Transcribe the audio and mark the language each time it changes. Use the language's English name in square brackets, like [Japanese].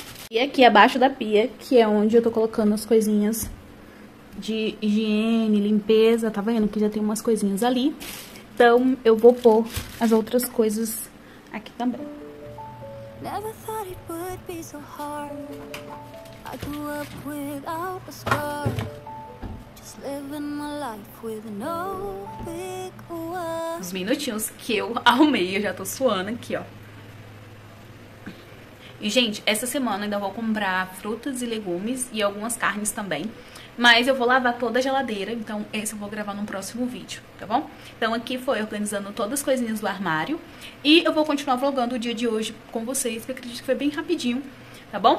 [Portuguese] E aqui abaixo da pia, que é onde eu tô colocando as coisinhas de higiene, limpeza. Tá vendo que já tem umas coisinhas ali. Então eu vou pôr as outras coisas aqui também. [English] Never thought it would be so hard. I grew up without a scar. Just living my life with no big one. [Portuguese] Uns minutinhos que eu arrumei, eu já tô suando aqui, ó. E, gente, essa semana eu ainda vou comprar frutas e legumes e algumas carnes também. Mas eu vou lavar toda a geladeira, então esse eu vou gravar no próximo vídeo, tá bom? Então aqui foi organizando todas as coisinhas do armário. E eu vou continuar vlogando o dia de hoje com vocês, que eu acredito que foi bem rapidinho, tá bom?